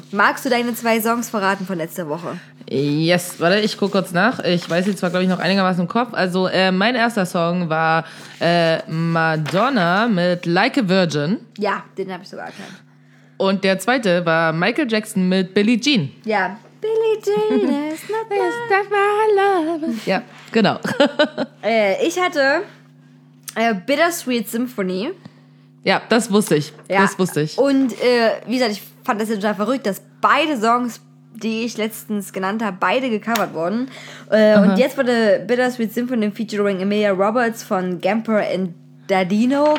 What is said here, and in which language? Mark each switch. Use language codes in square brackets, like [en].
[de] Magst du deine zwei Songs verraten von letzter Woche? Yes, warte, ich guck kurz nach. Ich weiß sie zwar, glaube ich, noch einigermaßen im Kopf. Also, mein erster Song war Madonna mit Like a Virgin. Ja, den habe ich sogar erkannt. Und der zweite war Michael Jackson mit Billie Jean. Ja. [en] Billie Jean is not my, is not my love. [de] Ja, genau. Ich hatte Bittersweet Symphony. Ja, das wusste ich. Ja. Das wusste ich. Und wie gesagt, ich fand das jetzt schon verrückt, dass beide Songs, die ich letztens genannt habe, beide gecovert wurden. Und jetzt wurde Bittersweet Symphony featuring Emilia Roberts von Gamper and Dadino.